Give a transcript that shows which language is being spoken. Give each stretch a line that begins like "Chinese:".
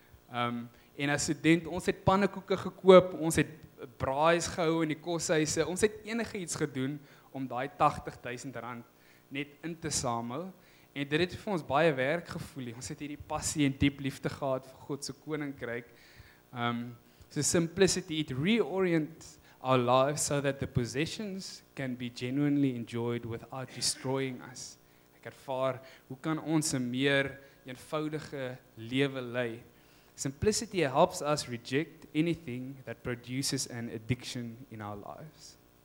Afrikaans: En as student, ons het pannekoeke gekoop, ons het braais gehou in die koshuise, ons het enige iets gedoen om daai R80,000 net in te samel. En dit het vir ons baie werk gevoel. Ons het hierdie passie en diep liefde gehad vir God se koninkryk.
English: So simplicity, it reorients our lives so that the possessions can be genuinely enjoyed without destroying us.
Afrikaans: Ek ervaar, hoe kan ons 'n meer eenvoudige lewe lei?
English: Simplicity helps us reject anything that produces an addiction in our lives.